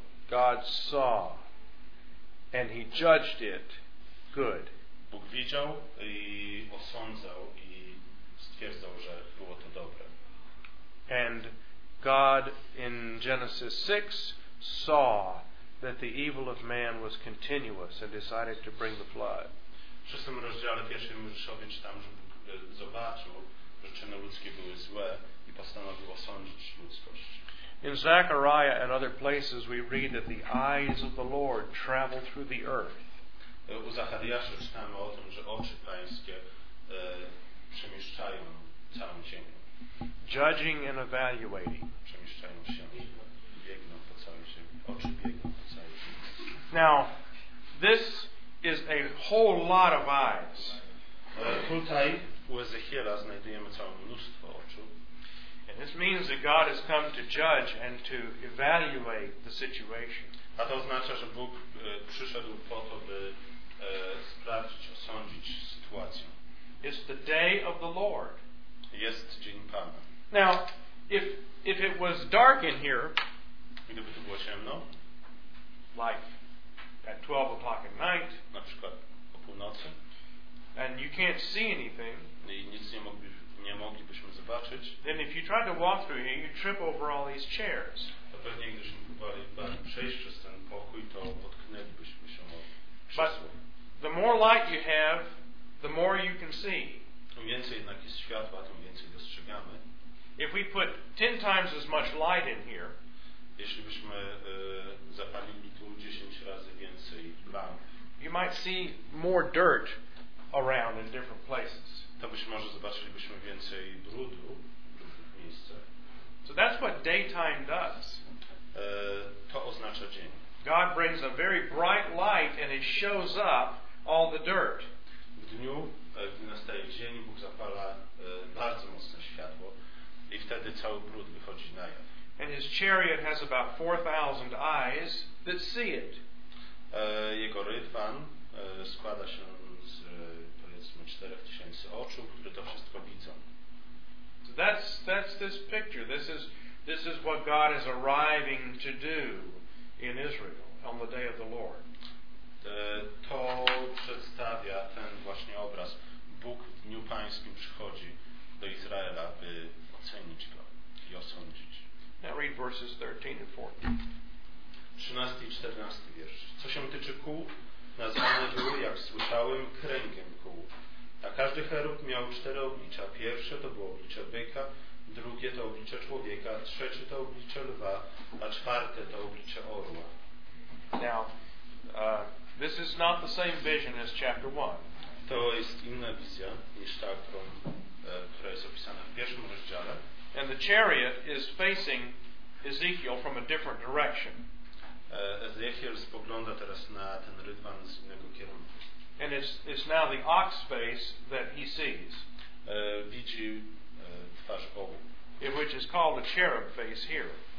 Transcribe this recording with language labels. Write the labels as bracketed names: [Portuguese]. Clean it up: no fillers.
[English] God saw and he judged it good. [Polish] Bóg widział i osądzał i stwierdzał, że było to dobre. [English] And God in Genesis 6 saw that the evil of man was continuous and decided to bring the flood. [Polish] W szóstym rozdziale pierwszej Mojżeszowej czytam, że Bóg zobaczył, że czyny ludzkie były złe i postanowił osądzić ludzkość. [English] In Zechariah and other places we read that the eyes of the Lord travel through the earth. [Polish] U Zachariasza czytamy o tym, że oczy Pańskie przemieszczają całą ziemię. [English] Judging and evaluating. [Polish] Przemieszczają się, biegną po całej ziemi. Oczy biegną po całej ziemi. [English] Now, this is a whole lot of eyes. [Polish] Tutaj u Ezechiela znajdujemy całe mnóstwo oczu. [English] And this means that God has come to judge and to evaluate the situation. [Polish] A to oznacza, że Bóg przyszedł po to, by sprawdzić, osądzić sytuację. [English] It's the day of the Lord. [Polish] Jest dzień Pana. [English] Now, if it was dark in here, [Polish] gdyby tu było ciemno, [English] like at 12 o'clock at night, [Polish] na przykład o północy, [English] and you can't see anything, [Polish] i nic nie mogłyby. Nie moglibyśmy zobaczyć. [English] Then if you tried to walk through here, you'd trip over all these chairs. [Polish] To pewnie gdybyśmy próbowali przejść przez ten pokój, to potknęlibyśmy się o krzesło. [English] But the more light you have, the more you can see. [Polish] Im więcej jednak jest światła, tym więcej dostrzegamy. [English] If we put 10 times as much light in here, [Polish] jeśli byśmy zapalili tu 10 razy więcej lamp, [English] you might see more dirt around in different places. [Polish] To być może zobaczylibyśmy więcej brudu w różnych miejscach. [English] So that's what daytime does. [Polish] To oznacza dzień. [English] God brings a very bright light and it shows up all the dirt. [Polish] W dniu, gdy nastaje dzień, Bóg zapala bardzo mocne światło i wtedy cały brud wychodzi na jaw. [English] And his chariot has about 4,000 eyes that see it. [Polish] Jego rydwan składa się z 4,000 oczu, które to wszystko widzą. [English] So that's this picture. This is what God is arriving to do in Israel on the day of the Lord. [Polish] To przedstawia ten właśnie obraz. Bóg w dniu Pańskim przychodzi do Izraela, by ocenić go i osądzić. [English] Now read verses 13 and 14. [Polish] 13 i 14 wiersz. Co się tyczy kół, nazwane były, jak słyszałem, kręgiem kół. A każdy cherub miał cztery oblicza. Pierwsze to było oblicze byka, drugie to oblicze człowieka, trzecie to oblicze lwa, a czwarte to oblicze orła. [English] Now, this is not the same vision as chapter 1. [Polish] To jest inna wizja niż ta, która jest opisana w pierwszym rozdziale. [English] And the chariot is facing Ezekiel from a different direction. [Polish] Ezekiel spogląda teraz na ten rydwan z innego kierunku. [English] And it's now the ox face that he sees. [Polish] Widzi twarz owu, [English] which is called a cherub face here.